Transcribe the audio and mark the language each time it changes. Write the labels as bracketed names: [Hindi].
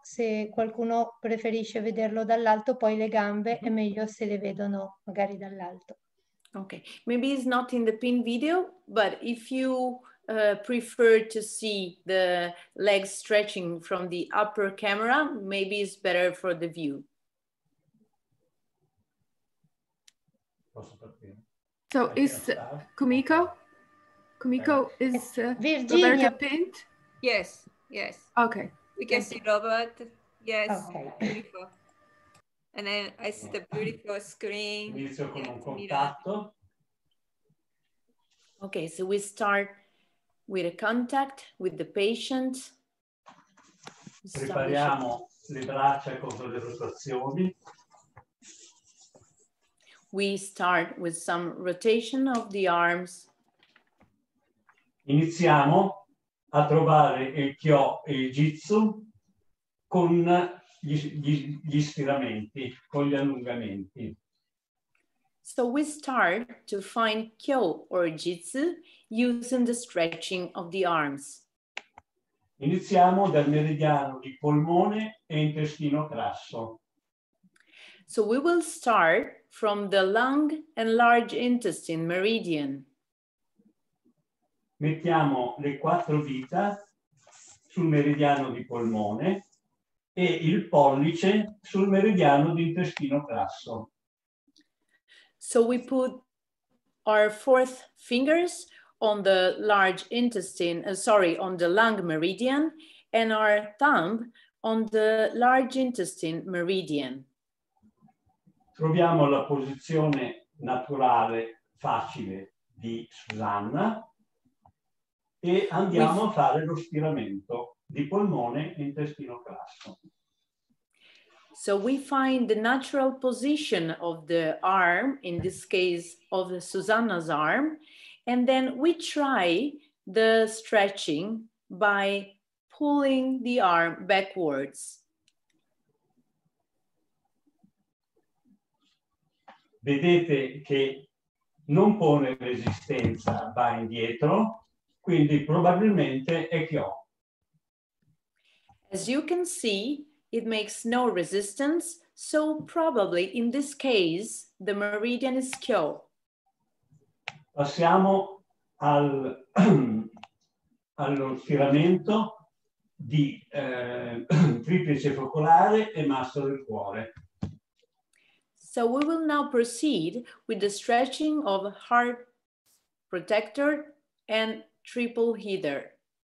[Italian] Se qualcuno preferisce vederlo dall'alto, poi le gambe è meglio se le vedono magari dall'alto. [English] Okay, maybe it's not in the pin video, but if you prefer to see the legs stretching from the upper camera, maybe it's better for the view. So is Kumiko? Kumiko is Virginia. Roberto pinned? Yes, yes. Okay. We can see Robert. Yes. Okay. And then I see the beautiful screen. [Italian] Inizio con un contatto. [English] Okay, so we start with a contact with the patient. [Italian] Prepariamo le braccia contro le rotazioni. [English] We start with some rotation of the arms. [Italian] Iniziamo a trovare il kyo e il jitsu con gli stiramenti, con gli allungamenti. [English] So we start to find kyo or jitsu using the stretching of the arms. [Italian] Iniziamo dal meridiano di polmone e intestino crasso. [English] So we will start from the lung and large intestine meridian. [Italian] Mettiamo le quattro dita sul meridiano di polmone e il pollice sul meridiano di intestino crasso. [English] So we put our fourth fingers on the large intestine, on the lung meridian, and our thumb on the large intestine meridian. [Italian] Troviamo la posizione naturale facile di Susanna e andiamo a fare lo stiramento di polmone e intestino crasso. [English] So we find the natural position of the arm, in this case of Susanna's arm, and then we try the stretching by pulling the arm backwards. [Italian] Vedete che non pone resistenza, va indietro, quindi probabilmente è kyo. [English] As you can see, it makes no resistance, so probably in this case the meridian is kyo. [Italian] Passiamo allo stiramento di triplice focolare e masso del cuore. [English] So we will now proceed with the stretching of heart protector and triple header.